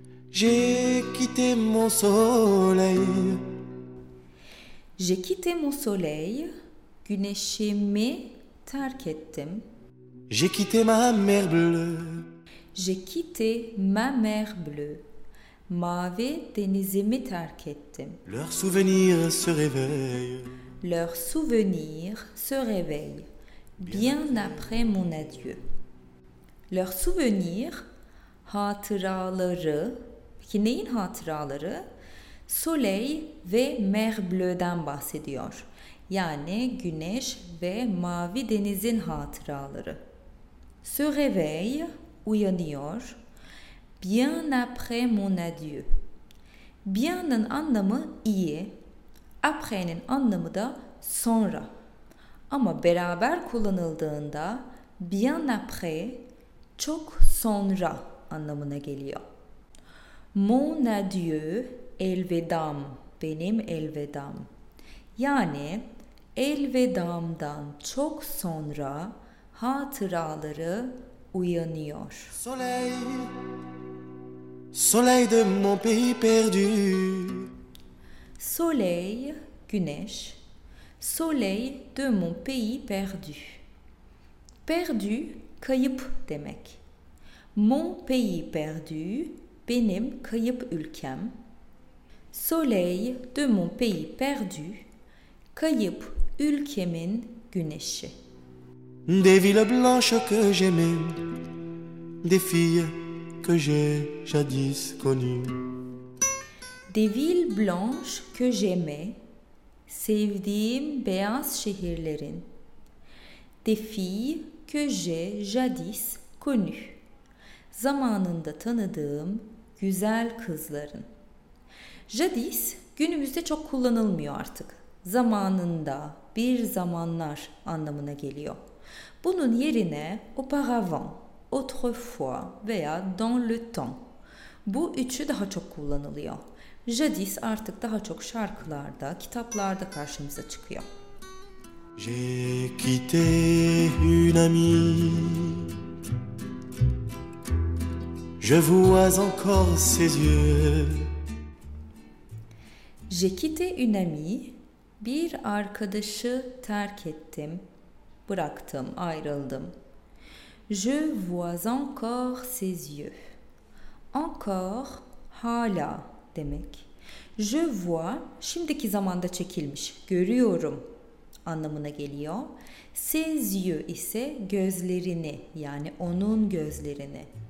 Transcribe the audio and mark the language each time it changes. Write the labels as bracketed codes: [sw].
[fr] J'ai quitté mon soleil. J'ai quitté mon soleil. [tr] Güneşimi terk ettim. [fr] J'ai quitté ma mer bleue. J'ai quitté ma mer bleue. [tr] Mavi denizimi terk ettim. [fr] Leur souvenir se réveille. Leur souvenir se réveille. Bien après mon adieu. Leur souvenir, [tr] hatıraları. Peki neyin hatıraları? Soleil ve [fr] mer bleu'den [tr] bahsediyor. Yani güneş ve mavi denizin hatıraları. Se réveille, uyanıyor. Bien après mon adieu. Bien'ın anlamı iyi. Après'nin anlamı da sonra. Ama beraber kullanıldığında [fr] bien après [tr] çok sonra anlamına geliyor. [fr] Mon adieu, [tr] elvedam. Benim elvedam. Yani elvedamdan çok sonra hatıraları uyanıyor. [fr] Soleil. Soleil de mon pays perdu. Soleil, [tr] güneş. [fr] Soleil de mon pays perdu. [tr] Perdu, kayıp demek. [fr] Mon pays perdu, [tr] benim kayıp ülkem. [fr] Soleil de mon pays perdu, [tr] kayıp ülkemin güneşi. [fr] Des villes blanches que j'aimais, des filles que j'ai jadis connu. Des villes blanches que j'aimais, [tr] sevdiğim beyaz şehirlerin. [fr] Des filles que j'ai jadis connu. [tr] Zamanında tanıdığım güzel kızların. Jadis günümüzde çok kullanılmıyor artık. Zamanında, bir zamanlar anlamına geliyor. Bunun yerine auparavant, autrefois veya [fr] dans le temps. [tr] Bu üçü daha çok kullanılıyor. Jadis artık daha çok şarkılarda, kitaplarda karşımıza çıkıyor. [fr] J'ai quitté une amie. Je vois encore ses yeux. J'ai quitté une amie. [tr] Bir arkadaşı terk ettim. Bıraktım, ayrıldım. [fr] Je vois encore ses yeux. Encore, [tr] hala demek. [fr] Je vois, [tr] şimdiki zamanda çekilmiş, görüyorum anlamına geliyor. [fr] Ses yeux [tr] ise gözlerini, yani onun gözlerini.